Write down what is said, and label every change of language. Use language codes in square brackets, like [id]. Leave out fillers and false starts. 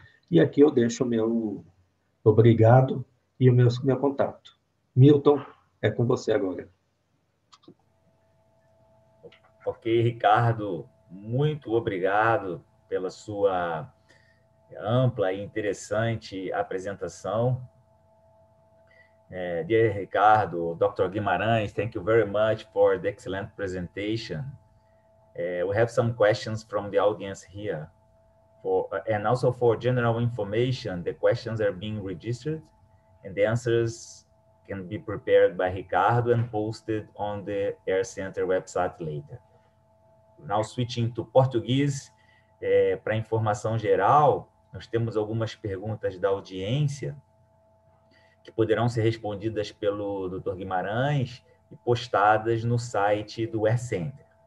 [pt] E aqui eu deixo o meu obrigado e o meu contato. Milton, é com você agora. Ok, Ricardo, muito obrigado pela sua ampla e interessante apresentação. [en] Dear Ricardo, Dr. Guimarães, thank you very much for the excellent presentation. We have some questions from the audience here. And also for general information, the questions are being registered and the answers can be prepared by Ricardo and posted on the Air Center website later. Now switching to [pt] português, para informação geral, nós temos algumas perguntas da audiência que poderão ser respondidas pelo Dr. Guimarães e postadas no site do Air Center.